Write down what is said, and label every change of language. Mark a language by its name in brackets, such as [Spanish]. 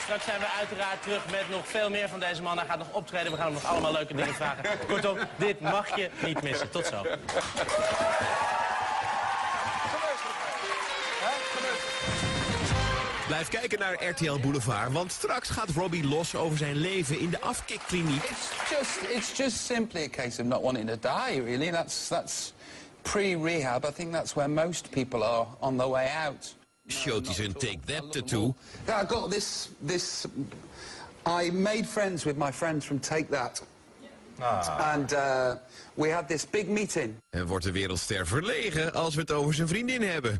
[Dutch] Straks zijn we uiteraard terug met nog veel meer van deze man. Hij gaat nog optreden, we gaan hem nog allemaal leuke dingen vragen. Kortom, dit mag je niet missen. Tot zo. Blijf kijken naar RTL Boulevard, want straks gaat Robbie los over zijn leven in de afkikkliniek. [English] It's just simply a case of not wanting to die, really. That's pre-rehab. I think that's where most people are on the way out. [Dutch] Showt hij zijn Take That tattoo. [English] Yeah, I got this. I made friends with my friends from Take That. Ah. And we had this big meeting. [Dutch] En wordt de wereldster verlegen als we het over zijn vriendin hebben.